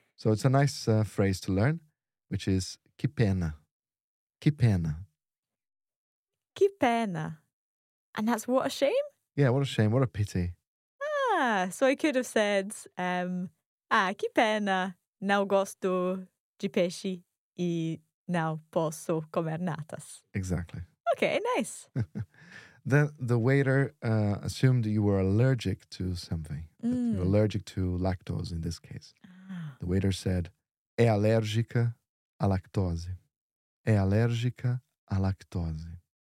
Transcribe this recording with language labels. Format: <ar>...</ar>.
<en>So it's a nice phrase to learn, which is</en> <pt>que pena. Que pena. Que pena.</pt> <en>And that's what a shame? Yeah, what a shame. What a pity. Ah, so I could have said,</en> <pt>que pena. Não gosto de peixe e não posso comer natas.</pt> <en>Exactly. Okay, nice. The waiter assumed you were allergic to something. Mm. You're allergic to lactose in this case. Ah. The waiter said,</en> <pt>é alérgica à lactose. É alérgica à lactose.</pt>